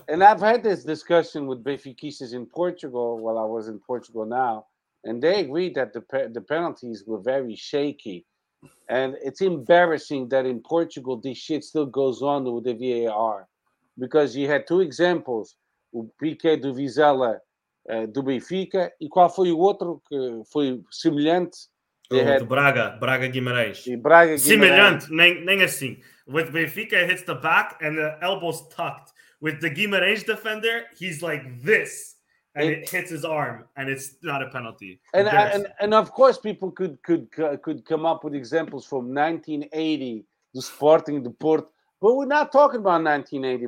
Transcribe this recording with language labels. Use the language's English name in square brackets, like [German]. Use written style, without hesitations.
[English] And I've had this discussion with Benfiquistas in Portugal while I was in Portugal now. And they agreed that the penalties were very shaky. And it's embarrassing that in Portugal, this shit still goes on with the VAR. Because you had two examples. [Portuguese] O Piqué do Vizela. Do Benfica, e qual foi o outro que foi semelhante? Braga Guimarães. Semelhante, nem assim. [English] With Benfica, it hits the back and the elbow's tucked. With the Guimarães defender, he's like this, and it hits his arm, and it's not a penalty. And of course, people could come up with examples from 1980, the Sporting, the Porto, but we're not talking about 1980.